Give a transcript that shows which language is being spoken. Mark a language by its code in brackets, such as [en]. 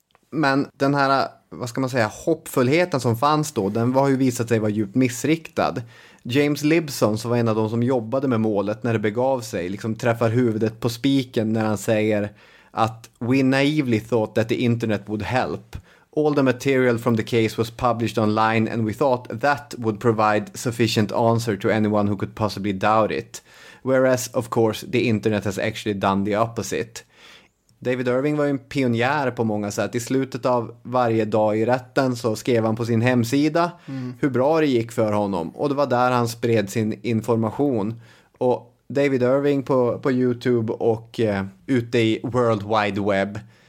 [sv] Men den här, vad ska man säga, hoppfullheten som fanns då, den var ju visat sig vara djupt missriktad. James Libson, som var en av de som jobbade med målet när det begav sig, liksom träffar huvudet på spiken när han säger att [en] "we naively thought that the internet would help. All the material from the case was published online and we thought that would provide sufficient answer to anyone who could possibly doubt it. Whereas, of course, the internet has actually done the opposite." [sv] David Irving var ju en pionjär på många sätt. I slutet av varje dag i rätten så skrev han på sin hemsida hur bra det gick för honom. Och det var där han spred sin information. Och David Irving på YouTube och ute i World Wide Web.